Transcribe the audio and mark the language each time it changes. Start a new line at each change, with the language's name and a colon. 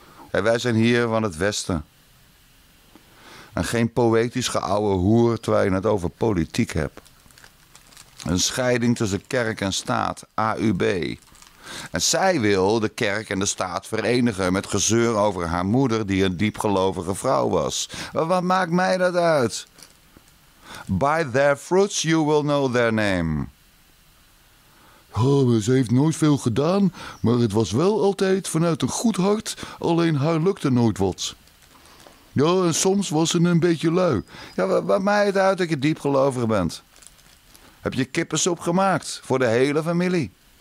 Dutch: En wij zijn hier van het Westen. En geen poëtisch geouwe hoer terwijl je het over politiek hebt. Een scheiding tussen kerk en staat, AUB. En zij wil de kerk en de staat verenigen met gezeur over haar moeder die een diepgelovige vrouw was. Wat maakt mij dat uit?
English: By their fruits you will know their name.
Dutch: Oh, ze heeft nooit veel gedaan, maar het was wel altijd vanuit een goed hart, alleen haar lukte nooit wat. Ja, en soms was ze een beetje lui. Ja, wat maakt het uit dat je diepgelovig bent? Heb je kippensoep gemaakt voor de hele familie?